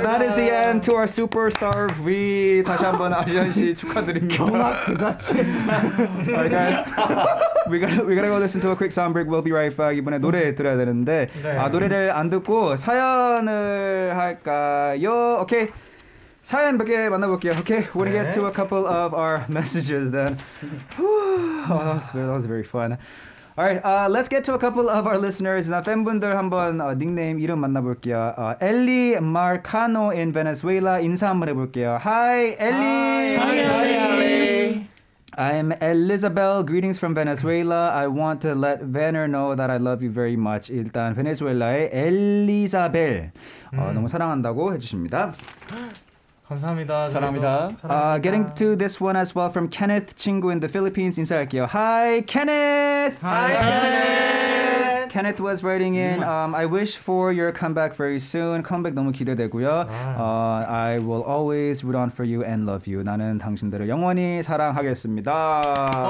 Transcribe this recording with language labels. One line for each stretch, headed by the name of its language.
English: That is the end to our superstar V.
Korean: 다시 한번 아시안 씨 축하드립니다. 경악 그 자체.
English: All right, guys. We gotta go listen to a quick sound break. We'll be right back.
Korean: 이번에 노래 들어야 되는데 네. 아, 노래를 안 듣고 사연을 할까요? 오케이. 사연 몇 개 만나볼게요.
English: Okay, we're gonna get to a couple of our messages then. Oh, that was very fun. Alright, let's get to a couple of our listeners.
Korean: 나 팬분들 한번 닉네임 이름 만나볼게요. 엘리 마르카노 in Venezuela 인사 한번 해볼게요.
English: Hi, 엘리. Hi, 엘리. I'm Elizabeth. Greetings from Venezuela. I want to let Vanner know that I love you very much.
Korean: 일단 베네수엘라의 엘리자벨 너무 사랑한다고 해주십니다. 감사합니다. 사랑합니다.
English: Getting to this one as well from Kenneth Chingu in the Philippines.
Korean: 인사할게요.
English: Hi, Kenneth! Hi, Kenneth! Kenneth was writing in, I wish for your comeback very soon.
Korean: 컴백 너무 기대되고요.
English: I will always root on for you and love you.
Korean: 나는 당신들을 영원히 사랑하겠습니다.